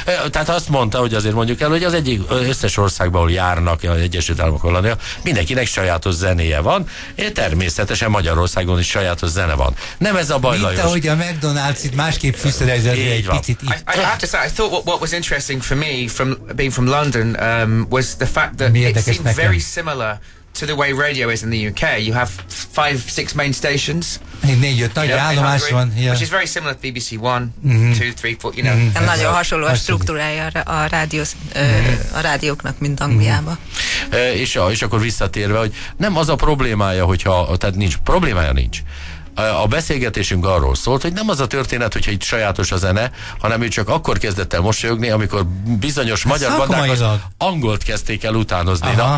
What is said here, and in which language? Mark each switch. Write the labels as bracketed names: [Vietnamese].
[Hungarian] Tehát azt mondta, hogy azért mondjuk el, hogy az egyik összes országban, ahol járnak, az Egyesült Államok Hollandia, mindenkinek sajátos zenéje van, és természetesen Magyarországon is sajátos zene van. Nem ez a baj, Lajos. Mint ahogy a McDonald's itt másképp fűszerezett egy picit itt. [English] I have to say, I thought what was interesting for me, from being from London, was the fact that it seemed very similar to the way radio is in the UK. You have five, six main stations. Which is very similar to BBC One, two, three, four, you know. Mm-hmm. [Hungarian] Nagyon hasonló a struktúrája a rádióknak, mint Angliába. És akkor visszatérve, hogy nem az a problémája, nincs problémája. A beszélgetésünk arról szólt, hogy nem az a történet, hogyha itt sajátos a zene, hanem ő csak akkor kezdett el mosolyogni, amikor bizonyos magyar bandák az angolt kezdték el utánozni. Aha.